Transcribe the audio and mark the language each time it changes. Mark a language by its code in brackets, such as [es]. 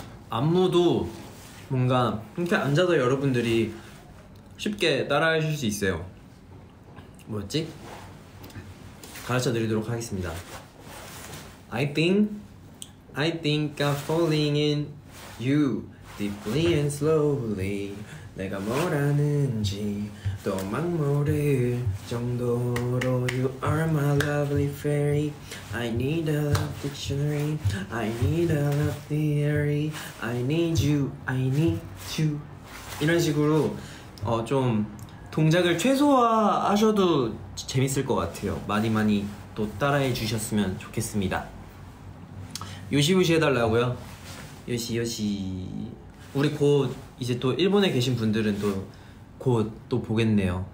[ko] 안무도 뭔가 이렇게 앉아서 여러분들이 쉽게 따라하실 수 있어요. 뭐였지? 가르쳐 드리도록 하겠습니다. [en] I think I'm falling in you deeply and slowly. [ko] 내가 뭘 아는지 도망 모를 정도로. [en] You are my lovely fairy. I need a love dictionary. I need a love theory. I need you. [ko] 이런 식으로 좀 동작을 최소화하셔도 재밌을 것 같아요. 많이 많이 또 따라해 주셨으면 좋겠습니다. 요시요시 해달라고요? 요시요시. 우리 곧 이제 또 일본에 계신 분들은 또 곧 또 보겠네요.